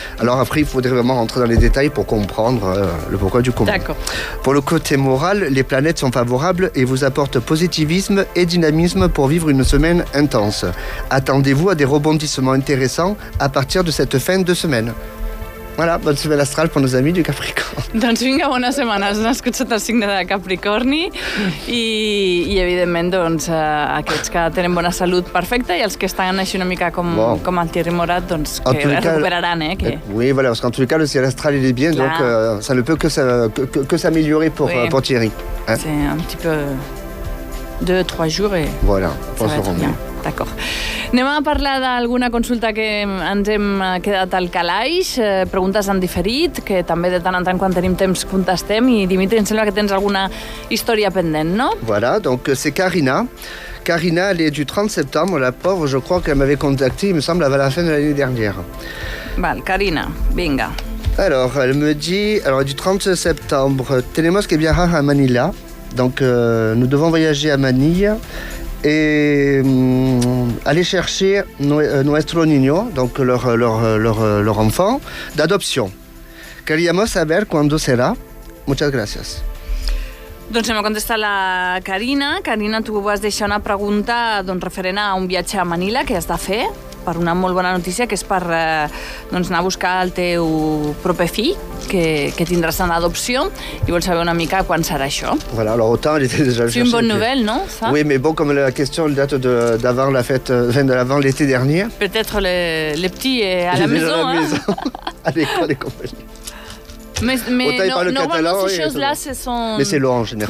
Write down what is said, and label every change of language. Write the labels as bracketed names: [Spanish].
[French] Alors après, il faudrait vraiment rentrer dans les détails pour comprendre le pourquoi du comment. D'accord. Pour le côté moral, les planètes sont favorables et vous apportent positivisme et dynamisme pour vivre une semaine intense. Attendez-vous à des rebondissements intéressants à partir de cette fin de semaine. Voilà, bonne semaine astrale pour nos amis du Capricorne. [Catalan] Doncs vinga, bona setmana. Has nascut sota el signe de Capricorni i evidentment, doncs, aquests que tenen bona salut perfecta i els que estan així una mica com, bon. Com el Thierry Morat, doncs, que recuperaran, eh? Que... [French] Oui, voilà, parce qu'en tout cas, le ciel astral, il est bien, donc ça ne peut que s'améliorer pour Thierry. Hein? C'est un petit peu... 2-3 jours et... Voilà, on se rend bien. D'accord. [Catalan] Anem a parlar d'alguna consulta que ens hem quedat al calaix, preguntes en diferit, que també de tant en tant quan tenim temps contestem, i Dimitri, em sembla que tens alguna història pendent, no? [French] Voilà, donc c'est Karina. Karina, elle est du 30 septembre, la pauvre, je crois qu'elle m'avait contacté, il me semble, à la fin de l'année dernière. [Catalan] Val, Karina, vinga. [French] Alors, elle me dit, alors, du 30 septembre, « [Spanish] Tenemos que viajar a Manila [French] », donc nous devons voyager à Manille, et aller chercher [Spanish] nuestro niño, [French] donc leur enfant, d'adoption. [Spanish] Queríamos saber cuándo será. Muchas gracias. [Catalan] Doncs hem contestat la Karina. Karina, tu vas deixar una pregunta doncs, referent a un viatge a Manila que has de fer, per una molt bona notícia, que és per doncs, anar a buscar el teu proper fill, que tindràs en adopció, i vols saber una mica quan serà això. [French] Voilà, alors autant, elle était déjà... C'est une bonne nouvelle, non, ça? Oui, mais bon, comme la question date d'avant la fête, enfin, de l'avant l'été dernier. Peut-être les petits à la maison, hein? À la maison, à l'école et compagnie. Mais normalement, ces choses-là, ce sont... Mais c'est long, en général.